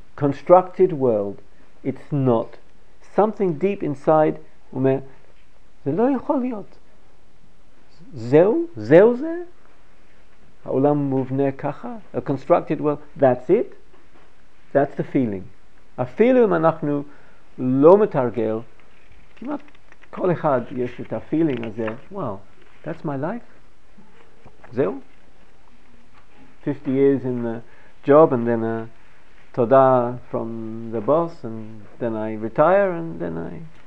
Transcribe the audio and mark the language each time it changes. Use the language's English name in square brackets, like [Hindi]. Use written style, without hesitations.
[English] Constructed world. It's not. Something deep inside, [Hebrew] אומר, זה לא יכול להיות. זהו? זהו זה? העולם מובנה ככה? [English] A constructed world, that's it? That's the feeling. [Hebrew] אפילו אם אנחנו לא מתרגל, כמעט כל אחד יש את הפילינג הזה, וואו, [English] that's my life? [Hebrew] זהו? [English] 50 years in the job, and then תודה from the boss, and then I retire, and then I...